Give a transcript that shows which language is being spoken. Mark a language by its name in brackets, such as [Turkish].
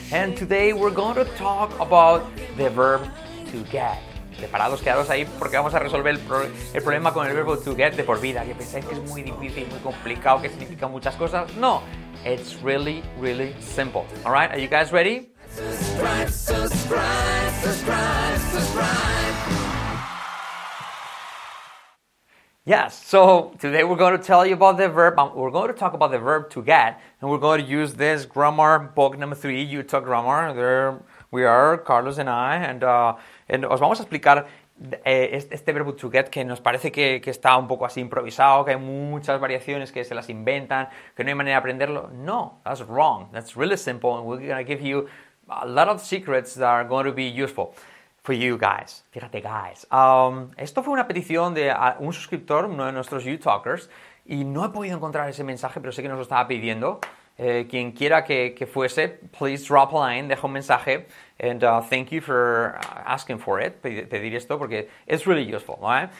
[English] And today we're going to talk about the verb to get. [Spanish] Preparados, quedados ahí, porque vamos a resolver el problema con el verbo to get de por vida. Que pensáis que es muy difícil, muy complicado, que significa muchas cosas. [English] No, it's really, really simple. Alright, are you guys ready? Yes, so today we're going to tell you about the verb. We're going to talk about the verb to get, and we're going to use this grammar book number 3, Utah Grammar. There we are, Carlos and I, and [Spanish] os vamos a explicar este verbo to get, que nos parece que está un poco así improvisado, que hay muchas variaciones que se las inventan, que no hay manera de aprenderlo. [English] No, that's wrong. That's really simple, and we're going to give you a lot of secrets that are going to be useful for you guys. [Spanish] Fíjate, guys. Esto fue una petición de un suscriptor, uno de nuestros U-Talkers, y no he podido encontrar ese mensaje, pero sé que nos lo estaba pidiendo. Quien quiera que fuese, [English] please drop a line, [Spanish] deja un mensaje, [English] and thank you for asking for it, [Spanish] pedir esto, porque [English] it's really useful, right?